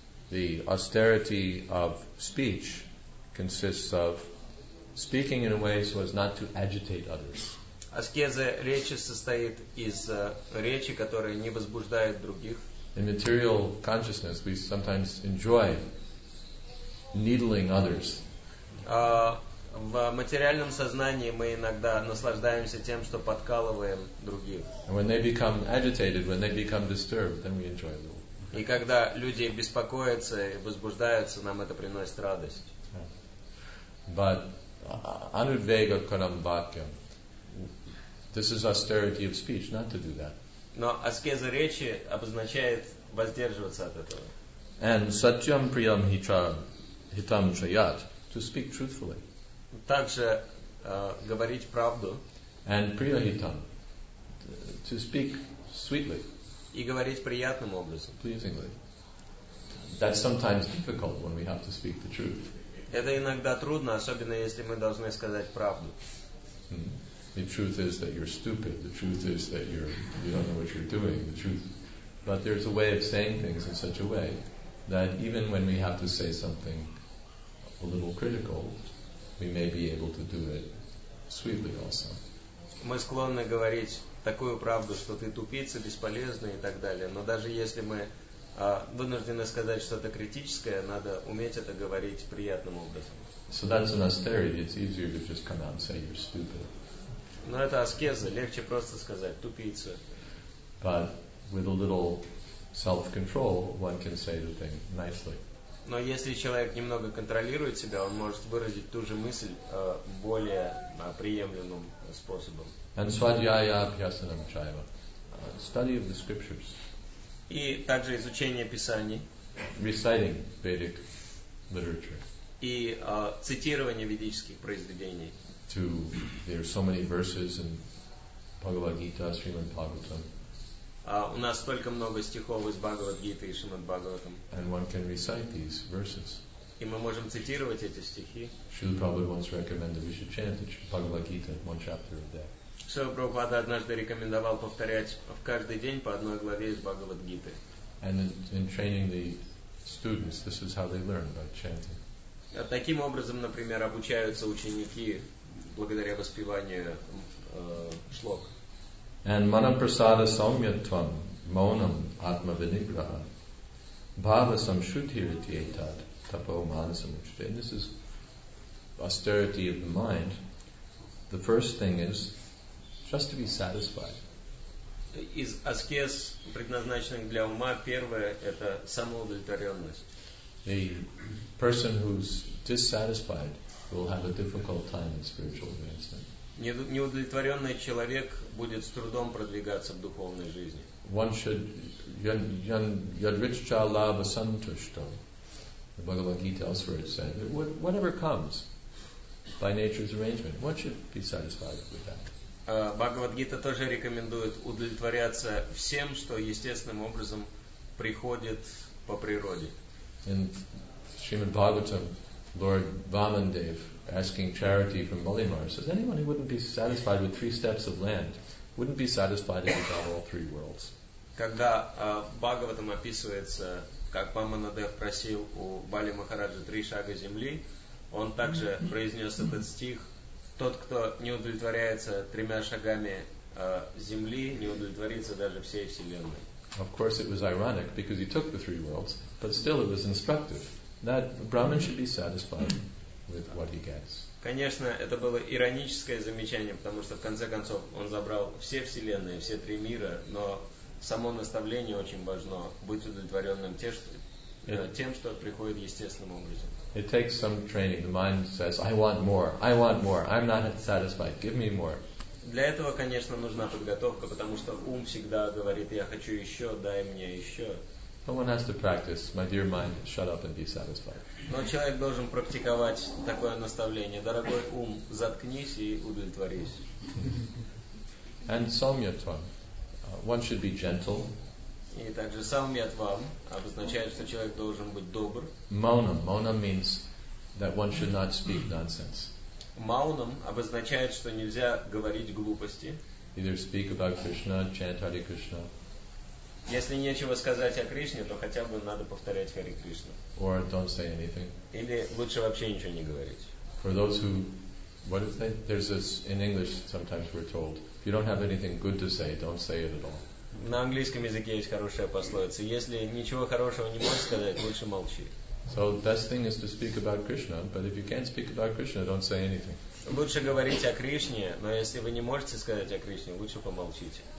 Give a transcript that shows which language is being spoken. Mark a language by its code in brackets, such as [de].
[en] The austerity of speech consists of speaking in a way so as not to agitate others. [ru] Аскеза речи состоит из речи, которая не возбуждает других. [en] In material consciousness, we sometimes enjoy needling others. [ru] В материальном сознании мы иногда наслаждаемся тем, что подкалываем других. [en] When they become agitated, when they become disturbed, then we enjoy them. [ru] И когда люди беспокоятся и возбуждаются, нам это приносит радость. [sa] But anudvega karam vakyam. [en] This is austerity of speech, not to do that. [ru] Но аскеза речи обозначает воздерживаться от этого. [en] And [sa] satyam priyam hitam chayat, [en] to speak truthfully. [ru] Также говорить правду. [en] And priyahitam, to speak sweetly. [ru] И говорить приятным образом. [en] Pleasingly. That's sometimes difficult when we have to speak the truth. [ru] Это иногда трудно, особенно если мы должны сказать правду. [en] The truth is that you're stupid. The truth is that you don't know what you're doing. The truth. But there's a way of saying things in such a way that even when we have to say something a little critical, we may be able to do it sweetly also. [ru] Мы склонны говорить такую правду, что ты тупица, бесполезный и так далее. Но даже если мы вынуждены сказать что-то критическое, надо уметь это говорить приятным образом. [en] So that's an austerity. It's easier to just come out and say you're stupid. [ru] Но это аскеза. Легче просто сказать тупица. [en] But with a little self-control, one can say the thing nicely. [ru] Но если человек немного контролирует себя, он может выразить ту же мысль более приемлемым способом. [en] And [sa] svadhyaya abhyasanam chayava. [en] Study of the scriptures. [ru] И также изучение писаний. [en] Reciting Vedic literature. [ru] И цитирование ведических произведений. [en] There are so many verses in Bhagavad Gita, Srimad Bhagavatam. [ru] У нас столько много стихов из Бхагавад-гиты и Шримад-Бхагаватам. [en] And one can recite these verses. [ru] И мы можем цитировать эти стихи. [en] Srila Prabhupada once recommended we should chant the Bhagavad-гита one chapter a day. [ru] Srila Prabhupada однажды рекомендовал повторять в каждый день по одной главе из Бхагавад-гиты. [en] And in training the students, this is how they learn by chanting. [ru] Таким образом, например, обучаются ученики благодаря воспеванию шлок. [sa] And manaprasada saumyatvam maunam atma vinigraha bhava samshuddhirati etat tapo manasam uchite. [en] This is austerity of the mind. The first thing is just to be satisfied. [ru] Из аскез, предназначенных для ума, первое – это самоудовлетворенность. [en] The person who's dissatisfied will have a difficult time in spiritual advancement. [ru] Неудовлетворенный человек будет с трудом продвигаться в духовной жизни. [en] One should [sa] yadrichcha lava santushtam. [en] The Bhagavad Gita elsewhere it said, whatever comes by nature's arrangement, one should be satisfied with that. [ru] Бхагавад Гита тоже рекомендует удовлетворяться всем, что естественным образом приходит по природе. [en] In Srimad Bhagavatam, Lord Vamandev asking charity from Mulimar, says anyone who wouldn't be satisfied with three steps of land wouldn't be satisfied if he got all three worlds. [ru] Когда Бхагаватам описывается, как Вамандев просил у Бали Махараджа три шага земли, он также произнес этот стих: тот, кто не удовлетворяется тремя шагами земли, не удовлетворится даже всей вселенной. [en] Of course, it was ironic because he took the three worlds, but still, it was instructive that Brahman should be satisfied with what he gets. [ru] Конечно, это было ироническое замечание, потому что в конце концов он забрал все вселенные, все три мира, но само наставление очень важно — быть удовлетворенным тем, что приходит естественным образом. [en] It takes some training. The mind says, I want more, I want more, I'm not satisfied, give me more. [ru] Для этого, конечно, нужна подготовка, потому что ум всегда говорит, я хочу еще, дай мне еще. [en] But one has to practice, my dear mind, shut up and be satisfied. [ru] Но человек должен практиковать такое наставление. Дорогой ум, заткнись и удовлетворись. [en] And saumyatvam. One should be gentle. [ru] И также саумьятвам обозначает, что человек должен быть добр. Маунам. [en] Маунам means that one should not speak nonsense. [ru] Маунам обозначает, что нельзя говорить глупости. [en] Either speak about Krishna, chant Hare Krishna. [ru] Если нечего сказать о Кришне, то хотя бы надо повторять Хари Кришну. [en] Or don't say anything. [ru] Или лучше вообще ничего не говорить. [en] For those who, what is that? There's this in English. Sometimes we're told, if you don't have anything good to say, don't say it at all. [ru] На английском языке есть хорошая пословица: если ничего хорошего не можешь сказать, лучше молчи. [en] So the best thing is to speak about Krishna, but if you can't speak about Krishna, don't say anything. [ru] Лучше говорить о Кришне, но если вы не можете сказать о Кришне, лучше помолчите.